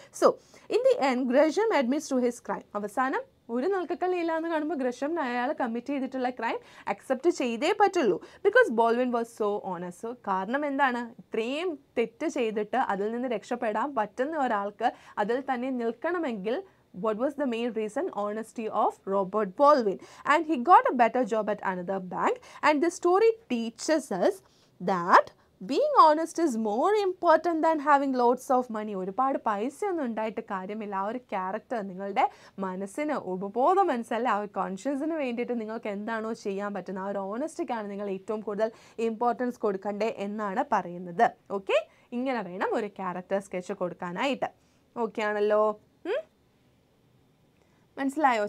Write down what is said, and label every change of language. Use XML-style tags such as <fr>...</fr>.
<en>So in the end Grisham admits to his crime.</en> <ml>അവസാനം ഒരു നൽക്കക്കല്ല് ഇല്ല എന്ന് കാണുമ്പോൾ ഗ്രിഷം അയാൾ കമ്മിറ്റ് ചെയ്തിട്ടുള്ള ക്രൈം അക്സെപ്റ്റ് ചെയ്തേ പറ്റുള്ളൂ.</ml> <en>Because Baldwin was so honest.</en> <ml>കാരണം എന്താണ്? ഇത്രയും തെറ്റ് ചെയ്തിട്ട് അതിൽ നിന്ന് രക്ഷപ്പെടാൻ പറ്റുന്ന ഒരാൾക്ക് അതിൽ തന്നെ നിൽക്കണമെങ്കിൽ</ml> <en>What was the main reason? Honesty of Robert Baldwin. And he got a better job at another bank. And the story teaches us that being honest is more important than having lots of money.</en> <ml>ഒരു പാട് പൈസ ഒന്നും ഉണ്ടായിട്ട് കാര്യമില്ല. ആ ഒരു character നിങ്ങളുടെ മനസ്സിന് ഉപബോധം മനസ്സല്ലേ, ആ ഒരു കോൺഷ്യൻസിന് വേണ്ടിയിട്ട് നിങ്ങൾക്ക് എന്താണോ ചെയ്യാൻ പറ്റുന്നത് ആ ഒരു ഓണസ്റ്റിക്കാണ് നിങ്ങൾ ഏറ്റവും കൂടുതൽ ഇമ്പോർട്ടൻസ് കൊടുക്കണ്ടേ എന്നാണ് പറയുന്നത്. ഓക്കെ, ഇങ്ങനെ വേണം ഒരു ക്യാരക്ടർ സ്കെച്ച് കൊടുക്കാനായിട്ട്. ഓക്കെ ആണല്ലോ, മനസ്സിലായോ?</ml>